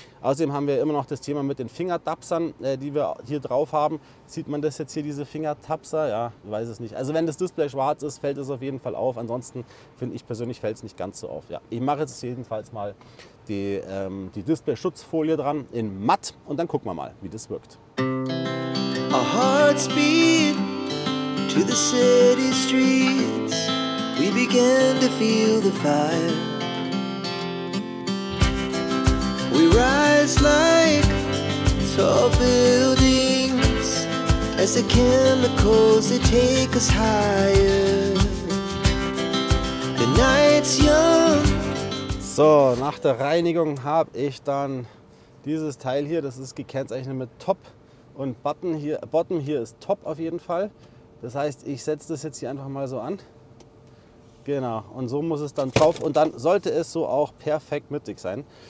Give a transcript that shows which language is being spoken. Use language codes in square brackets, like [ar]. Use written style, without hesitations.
[de] Außerdem haben wir immer noch das Thema mit den Fingertapsern, die wir hier drauf haben. Sieht man das jetzt hier, diese Fingertapser? Ja, weiß es nicht. Also wenn das Display schwarz ist, fällt es auf jeden Fall auf. Ansonsten finde ich persönlich, fällt es nicht ganz so auf. Ja, ich mache jetzt jedenfalls mal die Display-Schutzfolie dran in matt und dann gucken wir mal, wie das wirkt. [en] A heartbeat to the city streets, we began to feel the fire. We rise like tall buildings as the chemicals they take us higher. The night's young. [de] So, nach der Reinigung habe ich dann dieses Teil hier, das ist gekennzeichnet mit Top und Button hier. Bottom hier ist Top auf jeden Fall. Das heißt, ich setze das jetzt hier einfach mal so an. Genau, und so muss es dann drauf und dann sollte es so auch perfekt mittig sein.